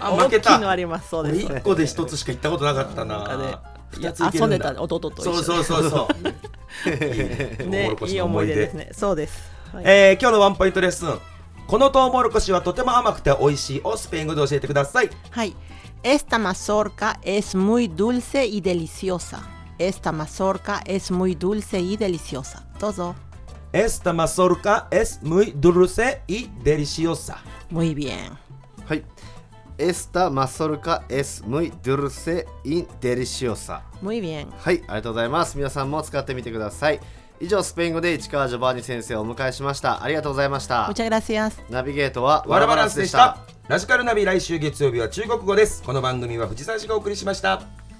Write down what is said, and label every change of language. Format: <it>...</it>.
<ja>あ、負けた。大きいのあります。そうです、 1個で1つしか行ったことなかったな。なんかね、2ついけるんだ。遊んでた弟と一緒。そうそうそうそういい、ね、トウモロコシの思い出ですね。そうです、はい、今日のワンポイントレッスン、このトウモロコシはとても甘くて美味しいをスペイン語で教えてください。</ja> <es>はい、Esta mazorca es muy dulce y deliciosa. Esta mazorca es muy dulce y deliciosa.</es> <ja>どうぞ。</ja> <es>Esta mazorca es muy dulce y deliciosa. Muy bien.</es> <ja>はい。</ja> <es>Esta mazorca es muy dulce y deliciosa. Muy bien.</es> <ja>はい、ありがとうございます。皆さんも使ってみてください。以上、スペイン語で市川ジョバーニ先生をお迎えしました。ありがとうございました。</ja> <es>Muchas gracias.</es> <ja>ナビゲートはワラバランスでした。ラジカルナビ、来週月曜日は中国語です。この番組は藤沢市がお送りしました。</ja>